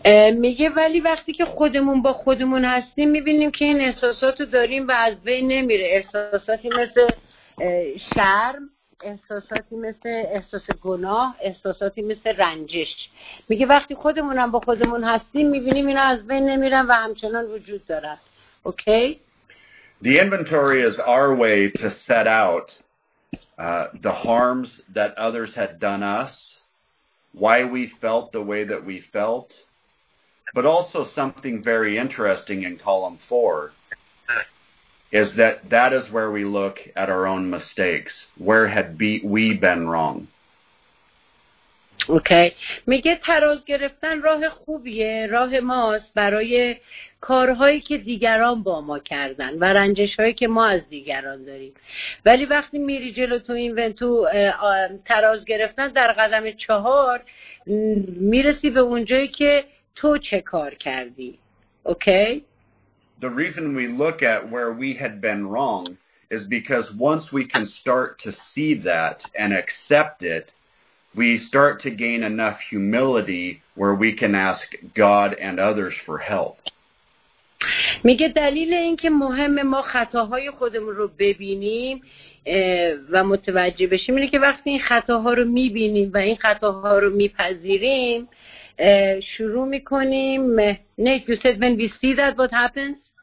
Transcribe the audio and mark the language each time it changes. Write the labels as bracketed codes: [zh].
[fa] میگه ولی وقتی که خودمون با خودمون هستیم میبینیم که این احساسات رو داریم و از بین نمیره. احساساتی مثل شرم، احساساتی مثل احساس گناه، احساساتی مثل رنجش. میگه وقتی خودمون هم با خودمون هستیم میبینیم اینا از بین نمیرن و همچنان وجود دارن. اوکی؟ [en] The inventory is our way to set out the harms that others had done us, why we felt the way that we felt, but also something very interesting in column 4 is that that is where we look at our own mistakes. Where had we been wrong? Okay. [fa] میگه تراز گرفتن راه خوبیه، راه ماست برای کارهایی که دیگران با ما کردن و رنجش‌هایی که ما از دیگران داریم. ولی وقتی میری جلو تو اینونتو تراز گرفتن در قدم 4 میرسی به اونجایی که تو چه کار کردی. [en] Okay. The reason we look at where we had been wrong is because once we can start to see that and accept it, we start to gain enough humility where we can ask God and others for help. [fa] میگه دلیل اینکه مهم ما خطاهای خودمون رو ببینیم و متوجه بشیم اینه که وقتی این خطاها رو میبینیم و این خطاها رو میپذیریم شروع میکنیم. [en] Nate, you said when we see that what happens?